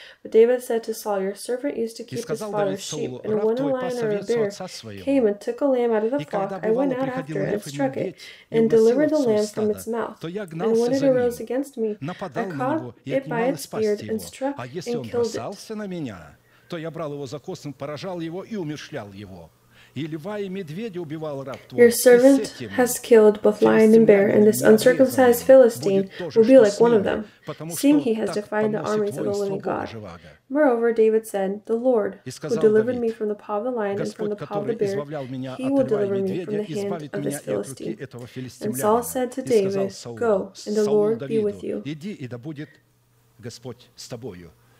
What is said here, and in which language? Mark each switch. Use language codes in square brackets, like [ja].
[en] But David said to Saul, "Your servant used to keep his father's sheep, and when a lion or a bear came and took a lamb out of the flock, I went out after it and struck it, and delivered the lamb from its mouth. And when it arose against me, I caught it by its beard and struck and killed it. [ru] То я брал его за косы, поражал его и умерщвлял его. И льва и медведя убивал раб твой. [en] Your servant has killed both lion and bear, and this uncircumcised Philistine will be like one of them, seeing he has defied the armies of the living God. Moreover, David said, "The Lord, who delivered me from the paw of the lion and from the paw of the bear, he will deliver me from the hand of this Philistine." And Saul said to David, "Go, and the Lord be with you." [ru] Иди, и да будет Господь с тобою.